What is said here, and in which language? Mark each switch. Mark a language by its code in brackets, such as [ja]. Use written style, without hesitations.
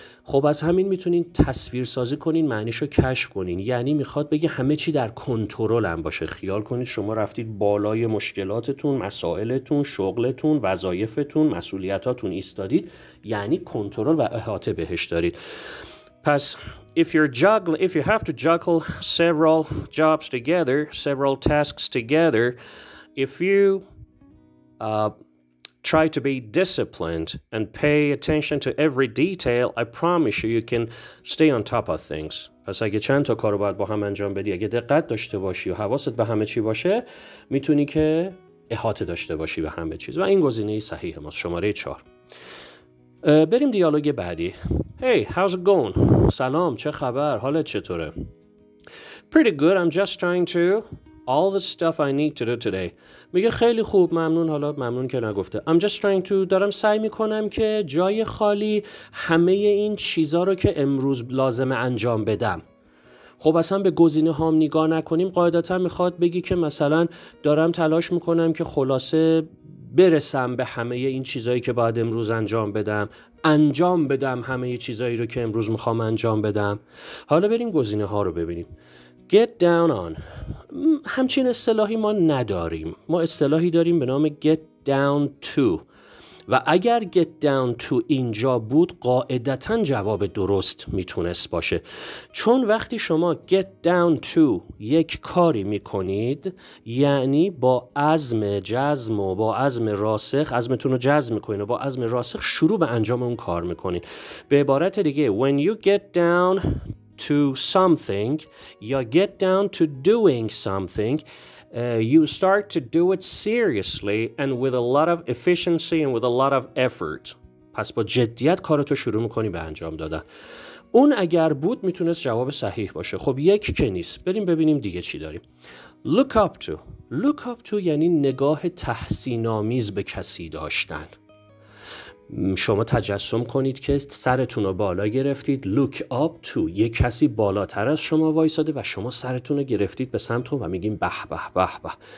[fa] خب از همین میتونین تصویر سازی کنین، معنیشو کشف کنین. یعنی میخواد بگه همه چی در کنترلم باشه. خیال کنید شما رفتید بالای مشکلاتتون، مسائلتون، شغلتون، وظایفتون، مسئولیتاتون ایستادید. یعنی کنترل و احاطه بهش دارید. [en] پس if you have to juggle several jobs together, several tasks together, if you try to be disciplined and pay attention to every detail, I promise you, you can stay on top of things. [fa] پس اگه چند تا کار رو باید با هم انجام بدی، اگه دقت داشته باشی و حواست به همه چی باشه، میتونی که احاطه داشته باشی به همه چیز. و این گزینه صحیح ماست، شماره 4. بریم دیالوگ بعدی. [en] Hey, how's it going? [fa] سلام، چه خبر؟ حالت چطوره؟ [en] Pretty good, I'm just trying to... All the stuff I need to do today. [fa] میگه خیلی خوب، ممنون. حالا ممنون که نگفته. [en] I'm just trying to... [fa] دارم سعی میکنم که جای خالی همه این چیزا رو که امروز لازمه انجام بدم. خب اصلا به گزینه هام نگاه نکنیم، قاعدتا میخواد بگی که مثلا دارم تلاش میکنم که خلاصه برسم به همه این چیزایی که باید امروز انجام بدم، انجام بدم همه چیزایی رو که امروز میخوام انجام بدم. حالا بریم گزینه ها رو ببینیم. [en] Get down on. [fa] همچین اصطلاحی ما نداریم. ما اصطلاحی داریم به نام get down to. و اگر get down to اینجا بود، قاعدتا جواب درست میتونست باشه. چون وقتی شما get down to یک کاری میکنید، یعنی با عزم جزم و با عزم راسخ، عزمتون رو جزم میکنید و با عزم راسخ شروع به انجام اون کار میکنید. به عبارت دیگه، [en] when you get down to something یا get down to doing something, you start to do it seriously and with a lot of efficiency and with a lot of effort. [fa] پس با جدیت کارتو شروع میکنی به انجام دادن. اون اگر بود میتونست جواب صحیح باشه. خب یک که نیست. بریم ببینیم دیگه چی داریم. [en] Look up to. [fa] Look up to یعنی نگاه تحسین‌آمیز به کسی داشتن. شما تجسم کنید که سرتون رو بالا گرفتید، look up to، یک کسی بالاتر از شما وایساده و شما سرتون رو گرفتید به سمتون و میگین به به به به.